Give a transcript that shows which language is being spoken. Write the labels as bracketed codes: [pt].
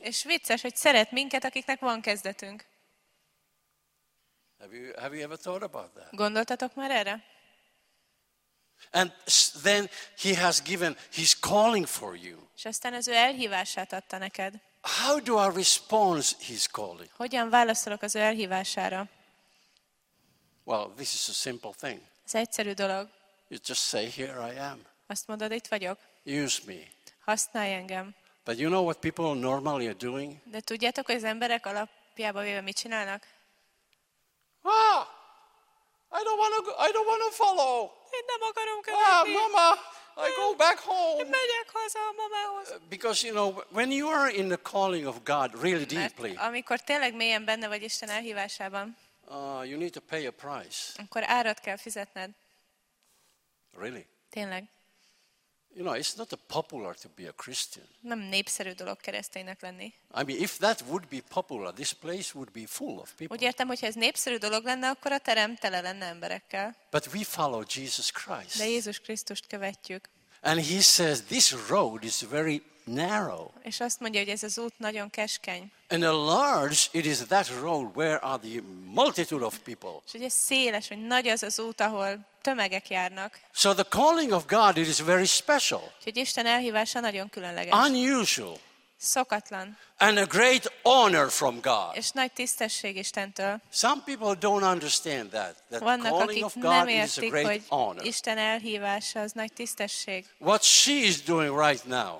[hu] És vicces, hogy szeret minket, akiknek van kezdetünk. [en] Have you ever thought about that? [hu] Gondoltatok már erre? [en] And then he has given his calling for you. [hu] És aztán az ő elhívását adta neked. [en] How do I respond his calling? [hu] Hogyan válaszolok az ő elhívására? [en] Well, this is a simple thing. [hu] Ez egyszerű dolog. [en] You just say, here I am. [hu] Azt mondod, itt vagyok. [en] Use me. [hu] Használj engem. [en] But you know what people normally are doing? [hu] De tudjátok, hogy az emberek alapjában véve mit csinálnak? [en] Ah! I don't want to follow. [hu] Én nem akarom követni. [en] Ah, mama, I go back home. [hu] Én megyek haza a mamához. [en] Because you know, when you are in the calling of God really deeply. [hu] Mert amikor tényleg mélyen benne vagy Isten elhívásában. [en] You need to pay a price. [hu] Akkor árat kell fizetned. [en] Really? [hu] Tényleg. [en] You know, it's not a popular to be a Christian. [hu] Nem népszerű dolog kereszténynek lenni. [en] I mean, if that would be popular, this place would be full of people. [hu] Úgy értem, hogy ez népszerű dolog lenne, akkor a terem tele lenne emberekkel. [en] But we follow Jesus Christ. [hu] De Jézus Krisztust követjük. [en] And he says this road is very narrow. [hu] És azt mondja, hogy ez az út nagyon keskeny. [en] And large it is that road where are the multitude of people. [hu] És ugye széles, hogy nagy az az út, ahol tömegek járnak. [en] So the calling of God it is very special. [hu] Úgyhogy Isten elhívása nagyon különleges. [en] Unusual. [hu] Szokatlan. [en] And a great honor from God. [hu] És nagy tisztesség Istentől. [en] Some people don't understand that the [hu] vannak, [en] calling of God is a great honor. [hu] Isten elhívása az nagy tisztesség. [en] What she is doing right now.